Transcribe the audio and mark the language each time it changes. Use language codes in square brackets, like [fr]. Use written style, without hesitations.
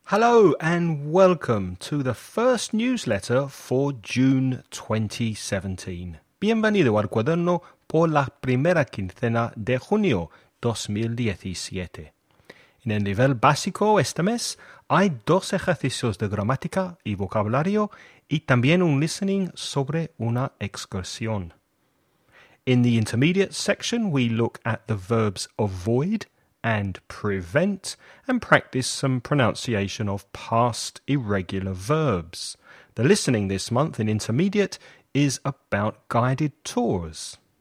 [en] Hello and welcome to the first newsletter for June 2017. [es] Bienvenido al cuaderno por la primera quincena de junio 2017. En el nivel básico este mes hay dos ejercicios de gramática y vocabulario y también un listening sobre una excursión. [en] In the intermediate section we look at the verbs avoid and prevent, and practice some pronunciation of past irregular verbs. The listening this month in intermediate is about guided tours.